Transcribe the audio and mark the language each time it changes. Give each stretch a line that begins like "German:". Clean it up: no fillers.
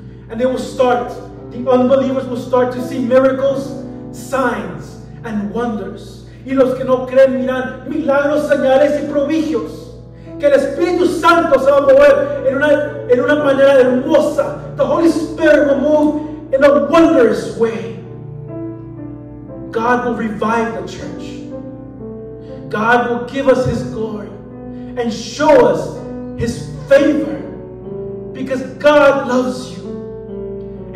English: And they will start, the unbelievers will start to see miracles, signs, and wonders.
Spanish: Y los que no creen miran milagros, señales y prodigios. Que el Espíritu Santo se va a mover en una manera hermosa.
English: The Holy Spirit will move in a wondrous way. God will revive the church. God will give us His glory and show us His favor, because God loves you